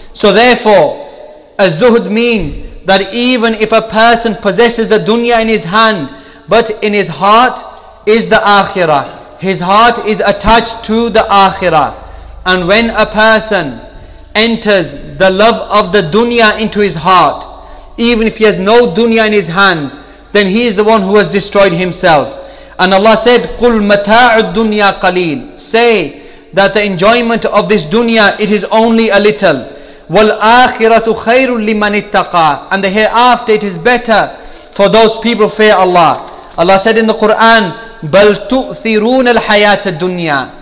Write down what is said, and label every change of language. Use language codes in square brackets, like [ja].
[en] So therefore, a zuhud means that even if a person possesses the dunya in his hand, but in his heart is the akhirah. His heart is attached to the akhirah. And when a person enters the love of the dunya into his heart, even if he has no dunya in his hands, then he is the one who has destroyed himself. And Allah said, [ar] قُلْ مَتَاعُ الدُّنْيَا قَلِيلٌ. [en] Say that the enjoyment of this dunya, it is only a little. [ar] وَالْآخِرَةُ خَيْرٌ لِمَنِ اتَّقَى. [en] And the hereafter, it is better for those people who fear Allah. Allah said in the Quran, [ar] بَلْ تُؤْثِرُونَ الْحَيَاةَ الدُّنْيَا.